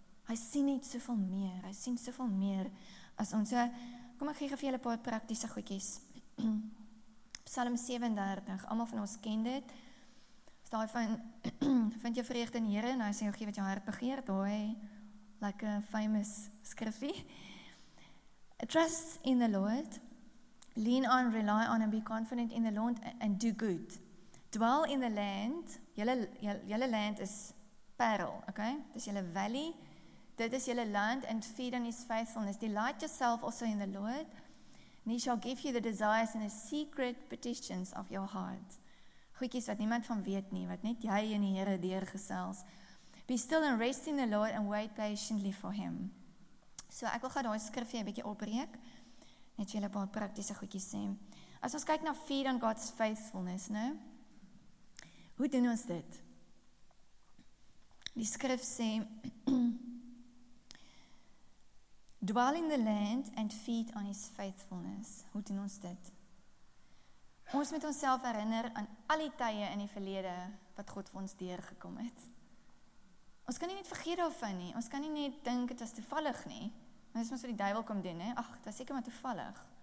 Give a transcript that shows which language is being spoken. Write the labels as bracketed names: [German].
[Afrikaans] Hy sien net soveel meer, hy sien soveel meer as ons. Kom ek gee vir julle 'n paar praktiese goedjies. Psalm 37, almal van ons ken dit. Is daai van vind jou vreugde in die Here en hy sê jy gee wat jou hart begeer, daai lekker famous skrifgie. [English] Trust in the Lord, lean on, rely on and be confident in the Lord and do good. Dwell in the land. [Afrikaans] Julle land is Parel, okay? Dis julle valley. Dit is jylle land [English] and feed on his faithfulness. Delight yourself also in the Lord and he shall give you the desires and the secret petitions of your heart. [Afrikaans] Goedjies wat niemand van weet nie, wat net jy en die Here deurgesels. [English] Be still and rest in the Lord and wait patiently for him. [Afrikaans] So ek wil gaan daai skrifje een bietjie opbreek, net vir jylle paar praktiese goedjies sê. As ons kyk na [English] feed on God's faithfulness, [Afrikaans] nou, hoe doen ons dit? Die skrif sê, [English] dwell in the land and feed on his faithfulness. [Afrikaans] Hoe doen ons dit? Ons moet onsself herinner aan al die tye in die verlede wat God vir ons deurgekom het. Ons kan nie net vergeet daarvan nie. Ons kan nie net dink dit was toevallig nie. Dit is ons wat die duiwel kom doen, hè? Ag, dit was seker maar toevallig.